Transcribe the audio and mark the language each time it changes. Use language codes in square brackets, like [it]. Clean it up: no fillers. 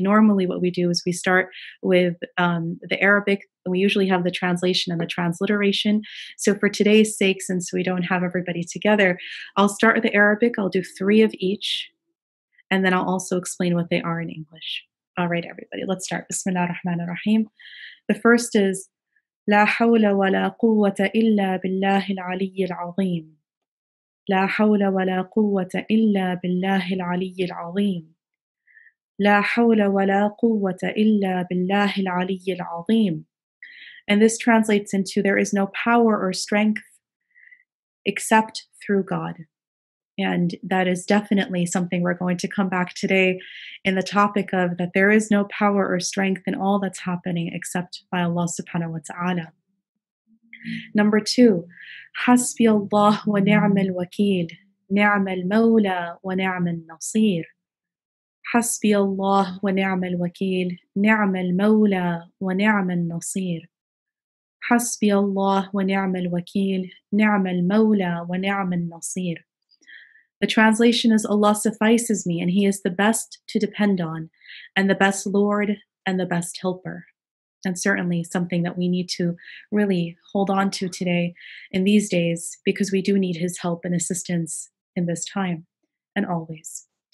[en] Normally what we do is we start with the Arabic. We usually have the translation and the transliteration. So for today's sake, since we don't have everybody together, I'll start with the Arabic. I'll do three of each. And then I'll also explain what they are in English. All right, everybody, let's start. Bismillah ar-Rahman ar-Rahim. The first is, [ar] لا حول ولا قوة إلا بالله العلي العظيم. لا حول ولا قوة إلا بالله العلي العظيم. لا حول ولا قوة إلا بالله العلي العظيم. [en] And this translates into, there is no power or strength except through God. And that is definitely something we're going to come back today in the topic of, that there is no power or strength in all that's happening except by Allah subhanahu wa ta'ala. Number two, [ar] حسبي الله ونعم الوكيل نعم المولى ونعم النصير. حسبي الله ونعم الوكيل نعم المولى ونعم النصير. حسبي الله ونعم الوكيل نعم المولى ونعم النصير. [en] The translation is, Allah suffices me, and He is the best to depend on, and the best Lord, and the best helper. And certainly something that we need to really hold on to today in these days, because we do need His help and assistance in this time and always.